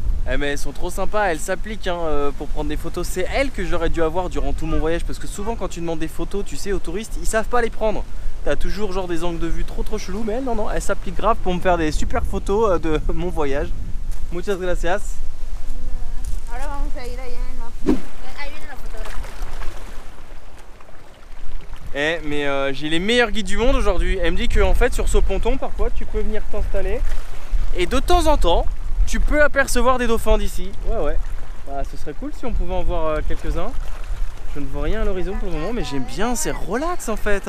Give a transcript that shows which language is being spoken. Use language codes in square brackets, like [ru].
[fr] Eh mais elles sont trop sympas, elles s'appliquent hein, pour prendre des photos. C'est elles que j'aurais dû avoir durant tout mon voyage, parce que souvent quand tu demandes des photos, tu sais, aux touristes, ils savent pas les prendre. T'as toujours genre des angles de vue trop chelous, mais elles, non, elles s'appliquent grave pour me faire des super photos de mon voyage. [es] Muchas gracias. Ahora vamos a ir allá en la... [fr] Eh mais j'ai les meilleurs guides du monde aujourd'hui. Elle me dit que en fait sur ce ponton parfois tu peux venir t'installer. Et de temps en temps, tu peux apercevoir des dauphins d'ici. Ouais, ouais. Bah, ce serait cool si on pouvait en voir quelques-uns. Je ne vois rien à l'horizon pour le moment, mais j'aime bien, c'est relax en fait.